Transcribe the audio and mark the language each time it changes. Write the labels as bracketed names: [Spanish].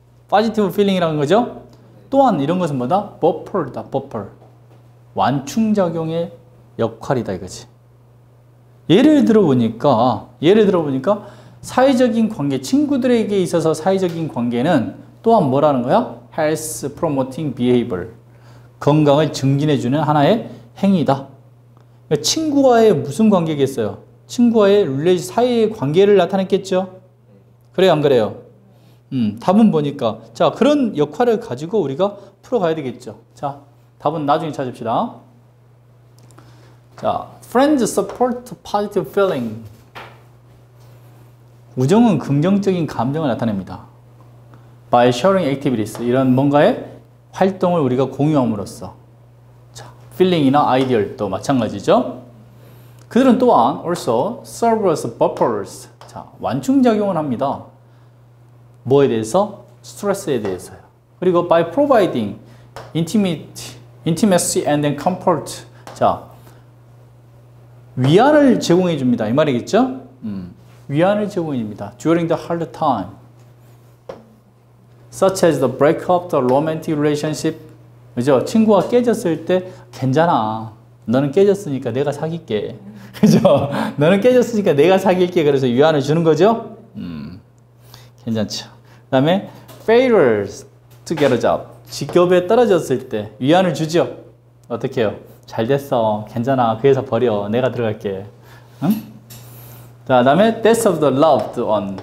[Korean] positive feeling이라는 거죠. 또한 이런 것은 뭐다? buffer다, buffer. 완충작용의 역할이다, 이거지. 예를 들어보니까 사회적인 관계, 친구들에게 있어서 사회적인 관계는 또한 뭐라는 거야? [English] health promoting behavior. [Korean] 건강을 증진해주는 하나의 행위다. 그러니까 친구와의 무슨 관계겠어요? 친구와의 릴레이션, 사회의 관계를 나타냈겠죠? 그래요, 안 그래요? 답은 보니까. 자, 그런 역할을 가지고 우리가 풀어가야 되겠죠. 자, 답은 나중에 찾읍시다. [English] 자, friends support positive feeling. [Korean] 우정은 긍정적인 감정을 나타냅니다. [English] By sharing activities. [Korean] 이런 뭔가의 활동을 우리가 공유함으로써. 자, feeling이나 idea도 마찬가지죠. 그들은 또한 [English] also serve as buffers. [Korean] 자, 완충작용을 합니다. 뭐에 대해서? 스트레스에 대해서요. [English] 그리고 by providing intimacy and then comfort. [Korean] 자, 위안을 제공해 줍니다. 이 말이겠죠? 위안을 제공해 줍니다. [English] During the hard time. Such as the break up the romantic relationship. [Korean] 그죠? 친구가 깨졌을 때, 괜찮아. 너는 깨졌으니까 내가 사귈게. 그죠? 너는 깨졌으니까 내가 사귈게. 그래서 위안을 주는 거죠? 괜찮죠. 그 다음에 [English] failures to get a job. [Korean] 직업에 떨어졌을 때 위안을 주죠. 어떻게 해요? 잘 됐어. 괜찮아. 그 회사 버려. 내가 들어갈게. 자, 그 다음에 [English] death of the loved one.